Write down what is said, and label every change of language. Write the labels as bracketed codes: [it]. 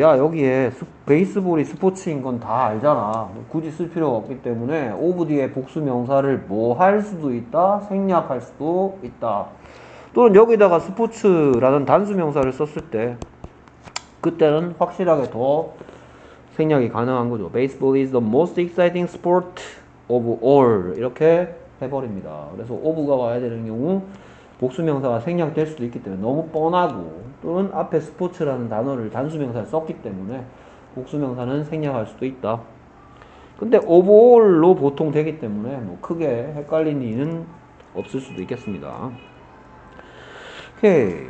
[ko] 야, 여기에 베이스볼이 스포츠인 건다 알잖아. 굳이 쓸 필요가 없기 때문에 of 뒤에 복수명사를 뭐할 수도 있다? 생략할 수도 있다. 또는 여기다가 스포츠라는 단수명사를 썼을 때 그때는 확실하게 더 생략이 가능한 거죠. [en] Baseball is the most exciting sport of all. [ko] 이렇게 해버립니다. 그래서 of가 와야 되는 경우 복수명사가 생략될 수도 있기 때문에 너무 뻔하고 또는 앞에 스포츠라는 단어를 단수명사에 썼기 때문에 복수명사는 생략할 수도 있다. 근데 of all로 보통 되기 때문에 뭐 크게 헷갈린 이는 없을 수도 있겠습니다. 오케이.